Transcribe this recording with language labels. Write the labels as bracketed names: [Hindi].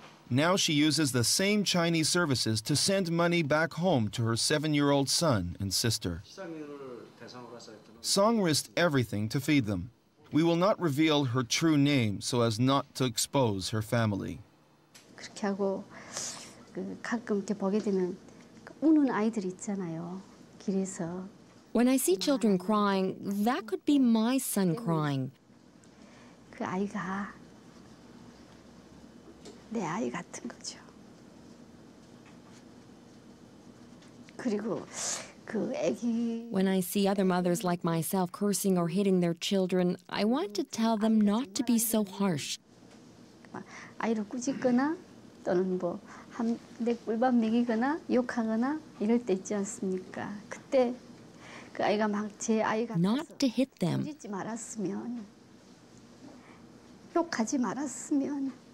[English] Now she uses the same Chinese services to send money back home to her 7-year-old son and sister. Song risked everything to feed them. We will not reveal her true name so as not to expose her family. [Korean] 그렇게 하고 그 가끔 이렇게 보게 되면 우는 아이들 있잖아요. 길에서. [English] When I see children crying, that could be my son crying. [Korean] 그 아이가 내 아이 같은 거죠. 그리고 그 아기. [English] When I see other mothers like myself cursing or hitting their children, I want to tell them not to be so harsh. [Korean] 아이를 꾸짖거나 또는 뭐 한 내 꿀밥 먹이거나 욕하거나 이럴 때 있지 않습니까? 그때 그 아이가 막 제 아이 같아서 [English] not to hit them. [Korean] 꾸짖지 말았으면 욕하지 말았으면.